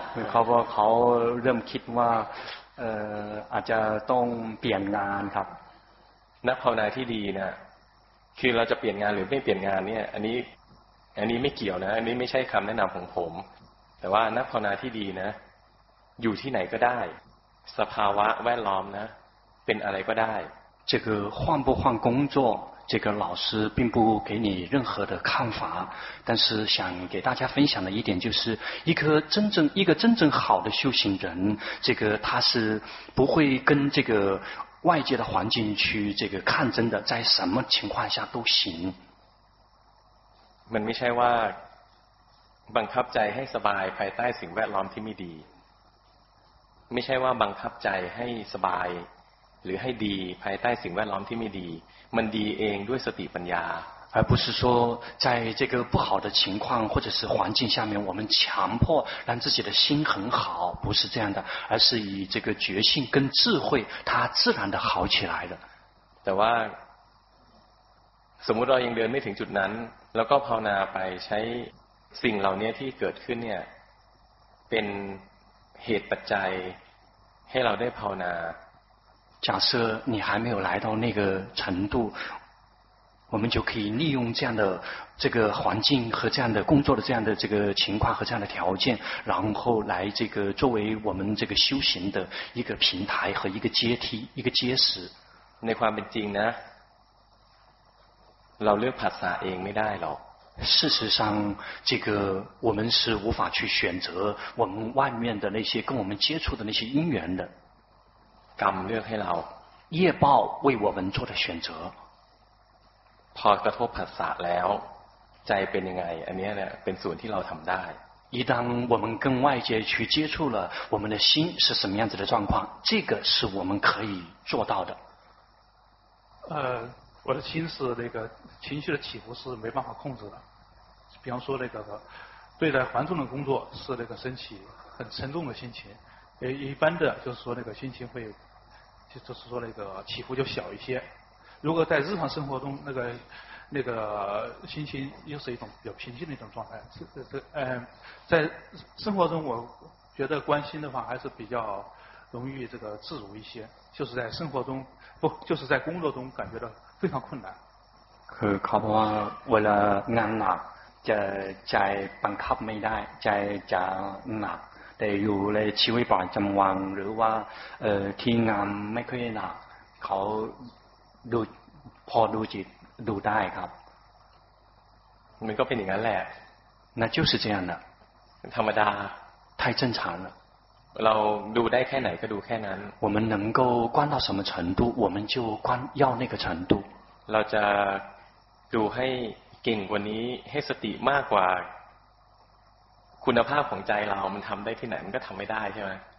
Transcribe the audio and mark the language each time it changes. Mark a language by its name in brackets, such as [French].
[Thai] เขาเริ่มคิดว่าอาจจะต้องเปลี่ยนงานครับ。 นักภาวนาที่ดีเนี่ยคือเราจะเปลี่ยนงานหรือไม่เปลี่ยนงานเนี่ยอันนี้ไม่เกี่ยวนะอันนี้ไม่ใช่คำแนะนำของผมแต่ว่านักภาวนาที่ดีนะอยู่ที่ไหนก็ได้สภาวะแวดล้อมนะเป็นอะไรก็ได้ [Chinese] 这个换不换工作这个老师并不给你任何的看法但是想给大家分享的一点就是一个真正好的修行人这个他是不会跟这个外界的环境去这个抗争的在什么情况下都行 [Thai] มันไม่ใช่ว่าบังคับใจให้สบายภายใต้สิ่งแวดล้อมที่ไม่ดีไม่ใช่ว่าบังคับใจให้สบายหรือให้ดีภายใต้สิ่งแวดล้อมที่ไม่ดีมันดีเองด้วยสติปัญญา [Chinese] 而不是说在这个不好的情况或者是环境下面我们强迫让自己的心很好不是这样的而是以这个觉性跟智慧它自然的好起来的 [Thai] แต่ว่าสมมุติเรายังเดินไม่ถึงจุดนั้นแล้วก็ภาวนาไปใช้สิ่งเหล่านี้ที่เกิดขึ้นเนี่ยเป็นเหตุปัจจัยให้เราได้ภาวนา [Chinese] 假设你还没有来到那个程度我们就可以利用这样的这个环境和这样的工作的这样的这个情况和这样的条件，然后来这个作为我们这个修行的一个平台和一个阶梯，一个阶石。 [Thai] ในความเป็นจริงนะเราเลือกภาษาเองไม่ได้หรอก。 [Chinese] 事实上，这个我们是无法去选择我们外面的那些跟我们接触的那些因缘的。 [Thai] กรรมเลือกให้เรา。 [Chinese] 业报为我们做的选择。 [Thai] พอกระทบภาษาแล้วใจเป็นยังไงอันนี้เนี่ยเป็นส่วนที่เราทำได้ [Chinese] 一旦我们跟外界去接触了我们的心是什么样子的状况这个是我们可以做到的我的心是那个情绪的起伏是没办法控制的比方说那个对待繁重的工作是那个升起很沉重的心情一般的就是说那个心情会就是说那个起伏就小一些如果在日常生活中，那个心情又是一种比较平静的一种状态。在生活中，我觉得关心的话还是比较容易这个自如一些。就是在生活中，不就是在工作中感觉到非常困难。 [Thai] คือเขาบอกว่าเวลางานหนักจะใจบังคับไม่ได้ใจจะหนักแต่อยู่ในชีวิตประจำวันหรือว่าที่งานไม่ค่อยหนักเขาดูพอดูจิตดูได้ครับ มันก็เป็นอย่างนั้นแหละ นั่น [Chinese] 就是这样的 [Thai] ธรรมดา [Chinese] 太正常了 [Thai] เราดูได้แค่ไหนก็ดูแค่นั้น [Chinese] 我们能够观到什么程度我们就观要那个程度 [Thai] เราจะดูให้เก่งกว่านี้ให้สติมากกว่าคุณภาพของใจเรามันทำได้ที่ไหนมันก็ทำไม่ได้ใช่ไหม